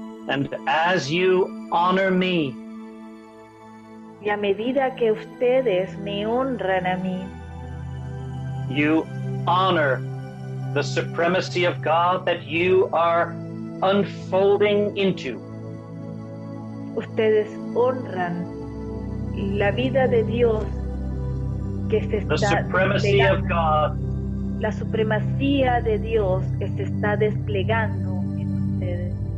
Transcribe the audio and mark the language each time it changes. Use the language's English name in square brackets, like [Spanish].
[English] And as you honor me. [Spanish] Y a medida que ustedes me honran a mí. [English] You honor the supremacy of God that you are unfolding into. [Spanish] Ustedes honran la vida de Dios que se está desplegando. [English] The supremacy of God. [Spanish] La supremacía de Dios que se está desplegando en ustedes.